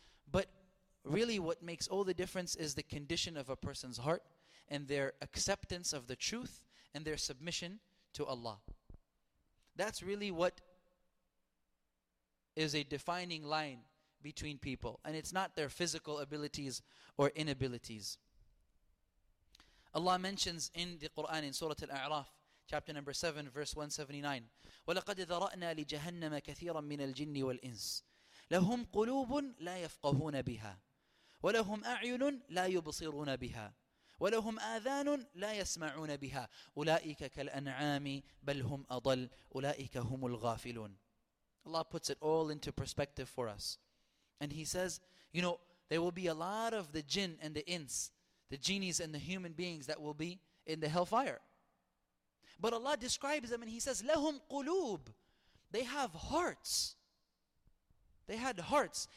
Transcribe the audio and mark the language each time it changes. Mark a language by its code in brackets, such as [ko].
[en] But really what makes all the difference is the condition of a person's heart and their acceptance of the truth and their submission to Allah. That's really what is a defining line between people. And it's not their physical abilities or inabilities. Allah mentions in the Quran, in Surah Al-A'raf, chapter number 7, verse 179, [ar] وَلَقَدْ ذَرَأْنَا لِجَهَنَّمَ كَثِيرًا مِنَ الْجِنِّ وَالْإِنسِ لَهُمْ قُلُوبٌ لَا يَفْقَهُونَ بِهَا وَلَهُمْ أَعْيُنٌ لَا يُبْصِرُونَ بِهَا وَلَهُمْ آذَانٌ لَا يَسْمَعُونَ بِهَا أُولَٰئِكَ كَالْأَنْعَامِ بَلْ هُمْ أَضَلُّ أُولَٰئِكَ هُمُ الْغَافِلُونَ. [en] Allah puts it all into perspective for us. And He says, you know, there will be a lot of the jinn and the ins, the genies and the human beings that will be in the hellfire. But Allah describes them and He says, [ar] لَهُمْ قُلُوب. [en] They have hearts. They had hearts.